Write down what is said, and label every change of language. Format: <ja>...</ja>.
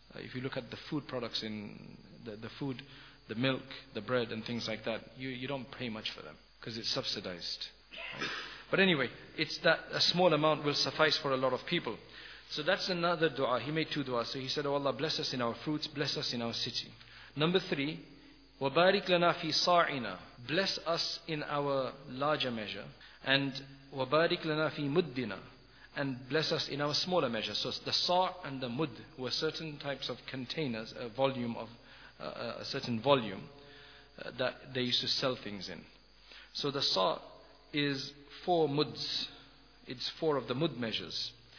<en>If you look at the food products in the food, the milk, the bread and things like that, you don't pay much for them because it's subsidized. But anyway, it's that a small amount will suffice for a lot of people. So that's another dua. He made two duas. So he said, O Allah, bless us in our fruits, bless us in our city. Number three,</en> <ar>وَبَارِكْ لَنَا فِي صَاعِنَا.</ar> <en>Bless us in our larger measure. And</en> <ar>وَبَارِكْ لَنَا فِي مُدِّنَا.</ar> <en>And bless us in our smaller measure. So the sa' and the mud were certain types of containers, a volume of a certain volume that they used to sell things in. So the sa' is four muds. It's four of the mud measures.</en>